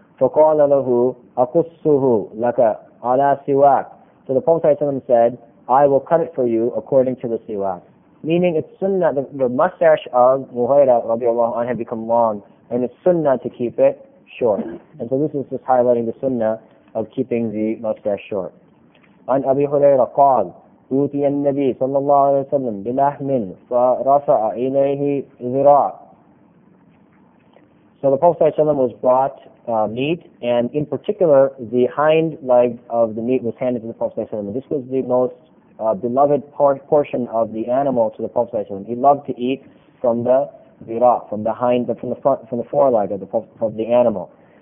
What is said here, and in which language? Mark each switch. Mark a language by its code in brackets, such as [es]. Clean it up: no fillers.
[ar] فَقَالَ لَهُ أَقُصُّهُ لَكَ عَلَى سِوَاكَ. [en] So the Prophet ﷺ said, I will cut it for you according to the siwak. Meaning it's sunnah, the mustache of Mughayrah radiallahu anhu had become long, and it's sunnah to keep it short. And so this is just highlighting the sunnah of keeping the mustache short. [ar] عن أبي هريرة قال أوتي النبي صلى الله عليه وسلم بلحم فرفع إليه ذراع. [en] So the Prophet ﷺ was brought meat, and in particular the hind leg of the meat was handed to the Prophet ﷺ. This was the most beloved portion of the animal to the Prophet ﷺ. He loved to eat from the ذراع, from the hind, from the foreleg of the animal.